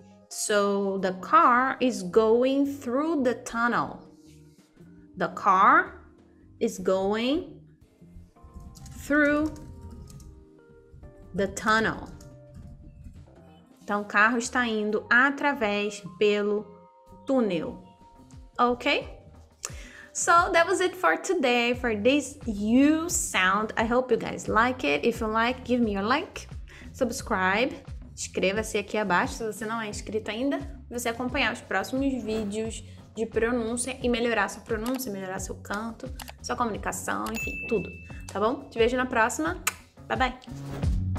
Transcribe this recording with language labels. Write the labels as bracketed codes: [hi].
[en] So, the car is going through the tunnel. The car is going through the tunnel. [pt] Então, o carro está indo através pelo túnel. [en] Ok? So, that was it for today, for this U sound. I hope you guys like it. If you like, give me your like. Subscribe. [pt] Inscreva-se aqui abaixo, se você não é inscrito ainda. Você acompanhar os próximos vídeos de pronúncia e melhorar sua pronúncia, melhorar seu canto, sua comunicação, enfim, tudo. Tá bom? Te vejo na próxima. [en] Bye, bye.